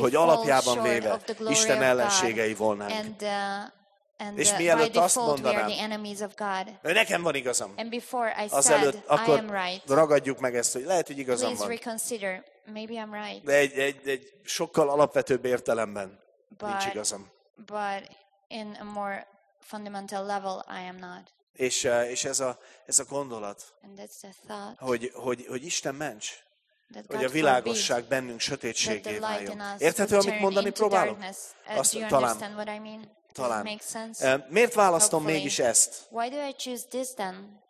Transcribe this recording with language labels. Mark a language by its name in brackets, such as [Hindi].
[Hungarian] Hogy alapjában véve Isten ellenségei volnánk. És mielőtt azt mondanám, hogy nekem van igazam, azelőtt akkor ragadjuk meg ezt, hogy lehet, hogy igazam van. [English] Maybe I'm right. [Hungarian] De egy sokkal alapvetőbb értelemben nincs igazam. [English] But in a more fundamental level, I am not. [Hungarian] És ez a gondolat, hogy Isten ments, hogy a világosság bennünk sötétségé váljon. Érthető, amit mondani próbálok? Azt talán. Miért választom mégis ezt? [English] Why do I choose this then?